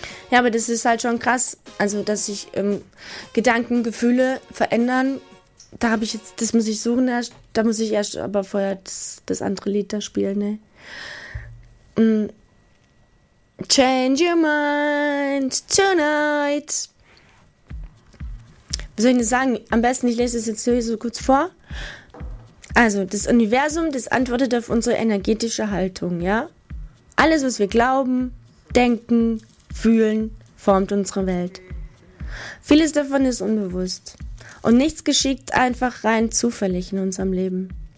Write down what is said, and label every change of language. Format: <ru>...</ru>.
<de>Ja, aber das ist halt schon krass, also dass sich Gedanken, Gefühle verändern. Da habe ich jetzt, das muss ich suchen erst, da muss ich erst aber vorher das andere Lied da spielen, ne?</de> <en>Change your mind tonight.</en> <de>Was soll ich denn sagen? Am besten, ich lese es jetzt so kurz vor. Also, das Universum, das antwortet auf unsere energetische Haltung, ja? Alles, was wir glauben, denken, fühlen, formt unsere Welt. Vieles davon ist unbewusst. Und nichts geschieht einfach rein zufällig in unserem Leben.</de>